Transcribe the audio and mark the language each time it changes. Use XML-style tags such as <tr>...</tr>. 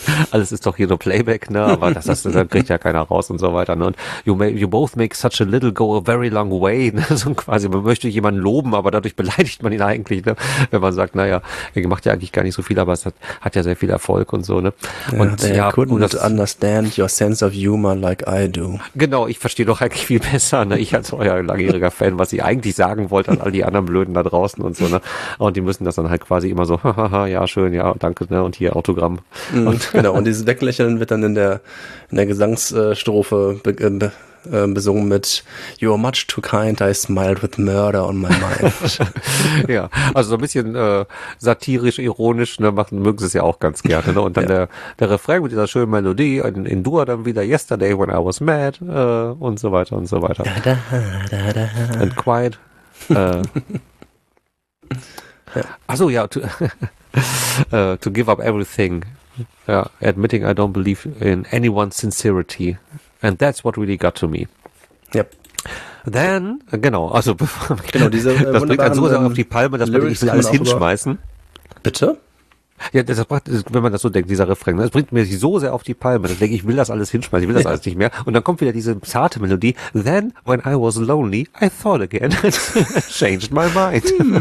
<de>Alles ist doch hier nur Playback, ne? Aber das kriegt ja keiner raus und so weiter, ne? Und</de> <en>you both make such a little go a very long way,</en> <de>ne? So quasi, man möchte jemanden loben, aber dadurch beleidigt man ihn eigentlich, ne? Wenn man sagt, naja, er macht ja eigentlich gar nicht so viel, aber es hat ja sehr viel Erfolg und so, ne?</de> <en>Und ja, couldn't understand your sense of humor like I do.</en> <de>Genau, ich verstehe doch eigentlich viel besser, ne? Ich als euer langjähriger Fan, was ihr eigentlich sagen wollt an all die anderen Blöden da draußen und so, ne? Und die müssen das dann halt quasi immer so, hahaha, ja, schön, ja, danke, ne, und hier Autogramm. Und genau, und dieses Weglächeln wird dann in der Gesangsstrophe besungen mit</de> <en>You're much too kind, I smiled with murder on my mind.</en> <de>Ja, also so ein bisschen satirisch, ironisch, ne, machen, mögen sie es ja auch ganz gerne, ne, und dann der Refrain mit dieser schönen Melodie in Dur dann wieder</de> <en>Yesterday when I was mad</en> <de>und so weiter und so weiter. Da, da, da, da.</de> <en>And quiet. Achso, ja, to give up everything, admitting I don't believe in anyone's sincerity, and that's what really got to me. Yep.</en> <de>Then, genau, also genau, diese das bringt einen so sehr auf die Palme, dass man nicht alles hinschmeißen. Bitte? Ja, das bringt, wenn man das so denkt, dieser Refrain, das bringt mir so sehr auf die Palme, dass ich denke, ich will das alles hinschmeißen, ich will das alles nicht mehr. Und dann kommt wieder diese zarte Melodie,</de> <en>then when I was lonely, I thought again, changed my mind.</en>